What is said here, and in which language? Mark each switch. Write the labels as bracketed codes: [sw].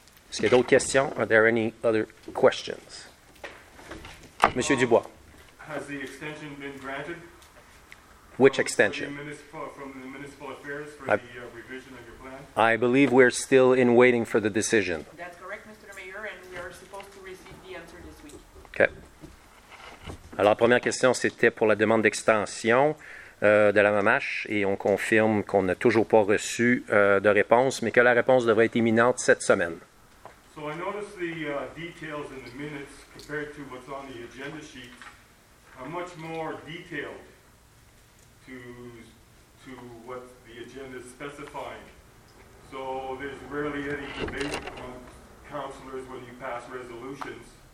[fr] Est-ce qu'il y a d'autres questions? [en] Are there any other questions? [fr] Monsieur Dubois. [en] Has the extension been granted? Which extension? From the municipal affairs for the revision of your plan? I believe we're still in waiting for the decision. That's correct, Mr. Mayor, and we are supposed to receive the answer this week. Okay. [fr] Alors, première question, c'était pour la demande d'extension de la MAMH, et on confirme qu'on n'a toujours pas reçu de réponse, mais que la réponse devrait être imminente cette semaine. [en] So I noticed the details in the minutes compared to what's on the agenda sheet are much more detailed to what the agenda is specifying. So there's rarely any debate among councillors when you pass resolutions.